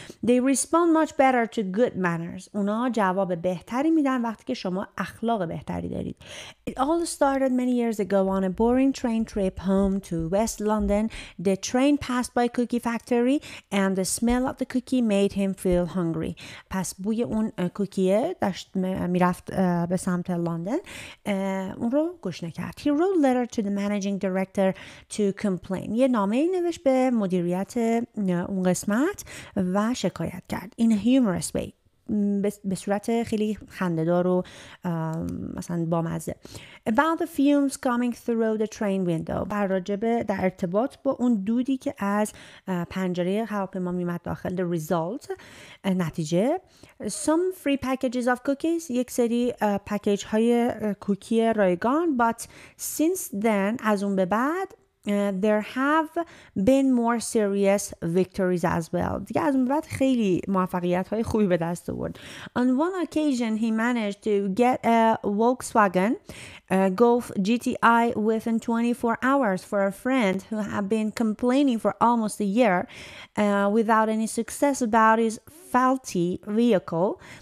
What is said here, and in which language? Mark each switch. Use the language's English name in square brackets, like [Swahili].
[English] They respond much better to good manners، [Persian] اونا جواب بهتری میدن وقتی که شما اخلاق بهتری دارید. [English] It all started many years ago on a boring train trip home to West London, the train passed by cookie factory and the smell of the cookie made him feel hungry. [Persian] پس بوی اون کوکیه داشت میرفت به سمت لندن. اون رو گوش نکرد. [English] He wrote a letter to the managing director to complain. [Persian] یه نامه نوشت به مدیریت اون قسمت و شکایت کرد. [English] In a humorous way. [Persian] به صورت خیلی خنده‌دار و مثلا بامزه. [English] About the fumes coming through the train window. [Persian] بر راجب در ارتباط با اون دودی که از پنجره هواپیما میمد داخل. [English] The result. [Persian] نتیجه. [English] Some free packages of cookies. [Persian] یک سری پکیج های کوکی رایگان. [English] But since then, [Persian] از اون به بعد, [English] there have been more serious victories as well. [Persian] دیگه از اون بعد خیلی موفقیت های خوبی به دست آورد. [English] On one occasion he managed to get a Volkswagen Golf GTI within 24 hours for a friend who had been complaining for almost a year without any success about his faulty vehicle.